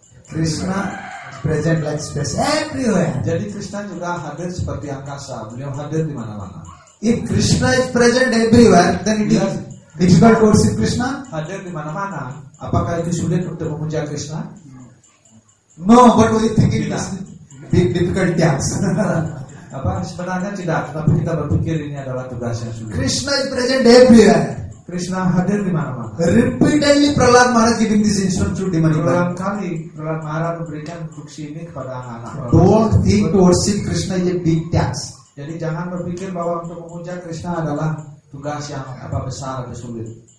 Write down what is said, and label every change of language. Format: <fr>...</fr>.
<en>Krishna present like space everywhere.</en> <id>Jadi Krishna juga hadir seperti angkasa. Beliau hadir di mana-mana.</id> <en>If Krishna is present everywhere, then it is difficult to worship Krishna?</en> <id>Hadir di mana-mana. Apakah itu sulit untuk memuja Krishna?</id> <en>No, but we think it is difficult task.</en> <id>Apa sebenarnya tidak? Tapi kita berpikir ini adalah tugas yang sulit.</id> <en>Krishna is present everywhere.</en> <id>Krishna hadir di mana-mana.</id> <en>Repeatedly Prahlad Maharaj giving this instruction to Dimani.</en> <id>Berulang kali Prahlad Maharaj memberikan kruksi ini kepada anak-anak.</id> <en>Don't think to worship Krishna is a big task.</en> <id>Jadi jangan berpikir bahwa untuk memuja Krishna adalah tugas yang apa besar atau sulit.</id>